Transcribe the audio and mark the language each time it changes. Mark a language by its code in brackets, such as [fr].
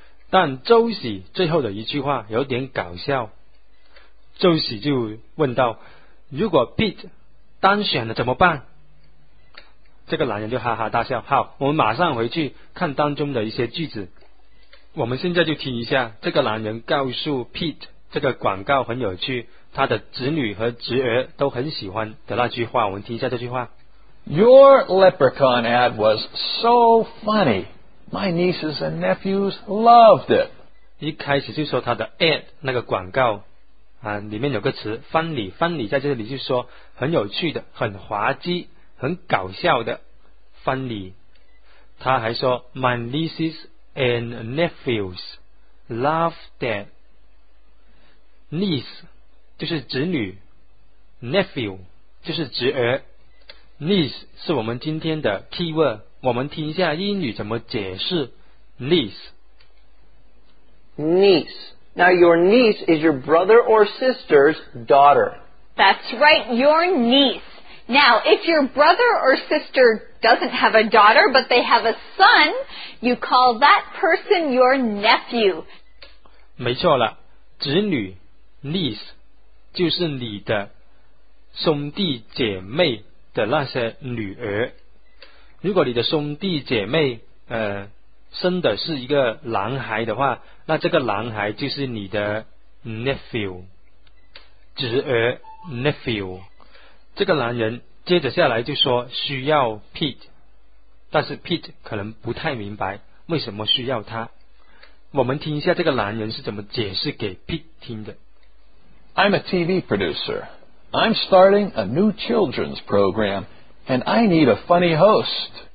[zh] 但周喜最后的一句话有点搞笑，周喜就问道，如果 Pete 当选了怎么办？这个男人就哈哈大笑。好，我们马上回去看当中的一些句子，我们现在就听一下这个男人告诉 Pete 这个广告很有趣，他的子女和侄儿都很喜欢的那句话。我们听一下这句话。 [en] Your leprechaun ad was so funny. My nieces and nephews loved it. [zh] 一开始就说他的 ad 那个广告啊，里面有个词 funny 在这里就说很有趣的，很滑稽，很搞笑的 funny。他还说 [en] My nieces and nephews loved it. [zh] Niece 就是子女， Nephew 就是侄儿。 Niece 是我们今天的 keyword， 我们听一下英语怎么解释 niece。 [en] Niece. Now your niece is your brother or sister's daughter. That's right, your niece. Now if your brother or sister doesn't have a daughter but they have a son, you call that person your nephew. [zh] 没错了，子女 niece 就是你的兄弟姐妹的那些女儿。如果你的兄弟姐妹生的是一个男孩的话，那这个男孩就是你的 nephew， 侄儿 nephew。这个男人接着下来就说需要 Pete， 但是 Pete 可能不太明白为什么需要他。我们听一下这个男人是怎么解释给 Pete 听的。 [en] I'm a TV producerI'm starting a new children's program, and I need a funny host.